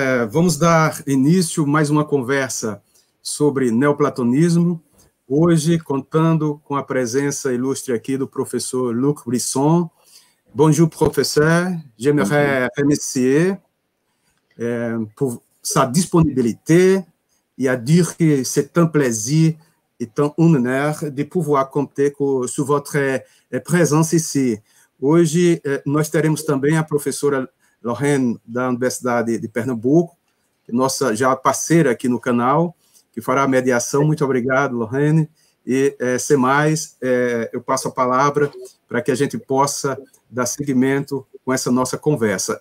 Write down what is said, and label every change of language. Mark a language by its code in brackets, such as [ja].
[pt] Vamos dar início a mais uma conversa sobre neoplatonismo. Hoje, contando com a presença ilustre aqui do professor Luc Brisson. [fr] Bonjour, professeur. Bonjour. J'aimerais remercier pour sa disponibilité et à dire que c'est un plaisir et un honneur de pouvoir compter sur votre présence ici. [pt] Hoje, nós teremos também a professora Lorraine, da Universidade de Pernambuco, nossa já parceira aqui no canal, que fará a mediação. Muito obrigado, Lorraine. E, sem mais, eu passo a palavra para que a gente possa dar seguimento com essa nossa conversa.